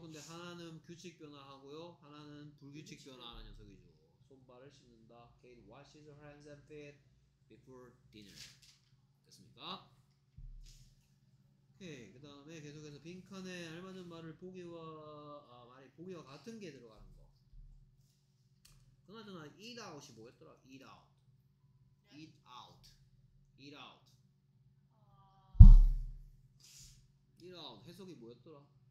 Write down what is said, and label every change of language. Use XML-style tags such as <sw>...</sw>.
<ko>근데 하나는 규칙 변화하고요. 하나는 불규칙 변화하는 녀석이죠. 손발을 씻는다.</ko> <en>Kate washes her hands and feet before dinner.</en> <ko>됐습니까? 오케이. 그 다음에 계속해서 빈칸에 알맞은 말을 보기와 아, 말이 보기와 같은 게 들어가는 거예요. 그나저나 eat out이 뭐였더라? eat out. eat out. eat out. eat out. 해석이 뭐였더라?</ko>